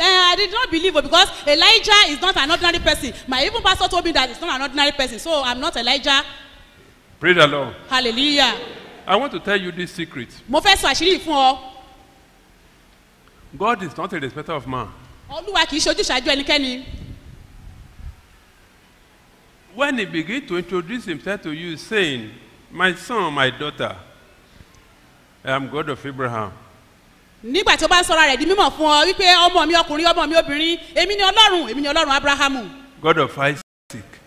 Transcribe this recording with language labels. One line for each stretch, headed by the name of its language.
English: I did not believe it because Elijah is not an ordinary person. My even pastor told me that he's not an ordinary person, so I'm not Elijah. Praise the Lord. Hallelujah. I want to tell you this secret.
Yoruba: Mo fẹ́ sọ àṣírí fún ọ.
English: God is not a respecter of man.
Yoruba: Olúwa kì í ṣojú ṣáájú ẹnikẹ́ni.
English: When he begins to introduce himself to you, saying, "My son, my daughter." I am God of Abraham.
Yoruba: Nígbà tí ó bá ń sọ̀rọ̀ rẹ̀ di mímọ̀ fún ọ wípé ọmọ mi ọkùnrin ọmọ mi obìnrin èmi ni Ọlọ́run Abrahamu.
English: God of Isaac.